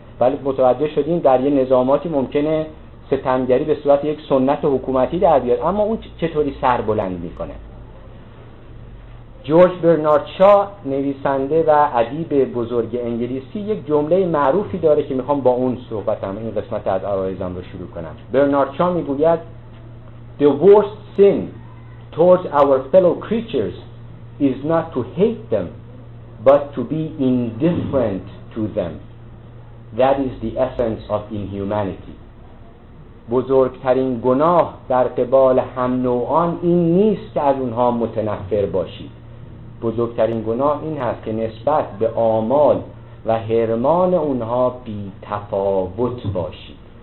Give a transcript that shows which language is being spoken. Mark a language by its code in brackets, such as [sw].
[fa] ولی متوجه شدیم در یه نظاماتی ممکنه ستمگری به صورت یک سنت حکومتی در بیاد، اما اون چطوری سر بلند میکنه؟ جورج برنارد شا، نویسنده و ادیب بزرگ انگلیسی، یک جمله معروفی داره که میخوام با اون صحبتم این قسمت از عرایضم رو شروع کنم. برنارد شا میگوید: [en] The worst sin towards our fellow creatures is not to hate them, but to be indifferent to them. That is the essence of inhumanity. [fa] بزرگترین گناه در قبال هم نوعان این نیست که از اونها متنفر باشید. بزرگترین گناه این هست که نسبت به آمال و حرمان اونها بی تفاوت باشید.